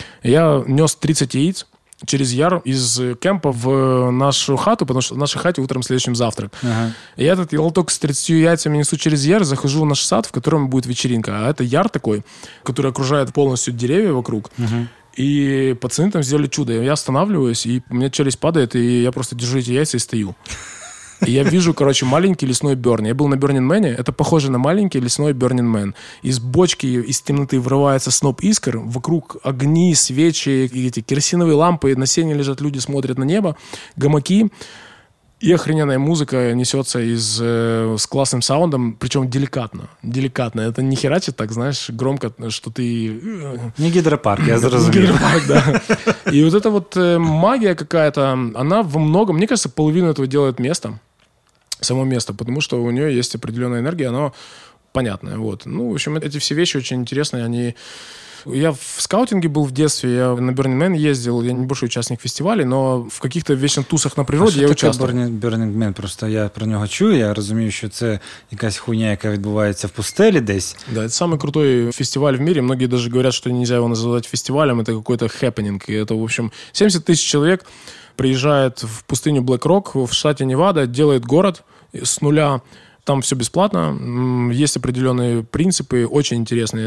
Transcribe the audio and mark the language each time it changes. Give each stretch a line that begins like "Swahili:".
Russian: Я нес 30 яиц через яр из кемпа в нашу хату, потому что в нашей хате утром следующий завтрак. Ага. Я этот лоток с 30 яйцами несу через яр, захожу в наш сад, в котором будет вечеринка. А это яр такой, который окружает полностью деревья вокруг. Угу. И пацаны там сделали чудо. Я останавливаюсь, и у меня челюсть падает, и я просто держу эти яйца и стою.
Ukrainian: І я
Russian: вижу, короче,
Ukrainian: маленький лісний Бёрн. Я був на Burning Man, це похоже на маленький лісний Burning Man. Із бочки, із темноти вривається сноп іскр, вокруг огні, свечі, эти керосинові лампи, на сені лежать люди, смотрять на небо, гамаки.
Russian: И охрененная музыка несется из, с классным саундом, причем деликатно. Деликатно. Это не херачит так, знаешь, громко, что ты... Не гидропарк, я заразумею. Не гидропарк, да. И вот эта вот магия какая-то, она во многом, мне кажется, половину этого делает место, само место, потому что у нее есть определенная энергия, она понятная. Вот. Ну, в общем, эти все вещи очень интересные, они... Я в скаутинге был в детстве, я на Burning Man ездил, я не больше участник фестивалей, но в каких-то вечно тусах на природе я участвовал. А что такое Burning Man?
Ukrainian: Просто я про нього чую, я розумію, що це якась хуйня, яка відбувається в пустелі десь.
Russian: Да, это самый крутой фестиваль в мире, многие даже говорят, что нельзя его называть фестивалем, это какой-то хэппенинг, и это, в общем, 70 тысяч человек приезжает в пустыню Black Rock в штате Невада, делает город с нуля. Там все бесплатно, есть определенные принципы, очень интересные.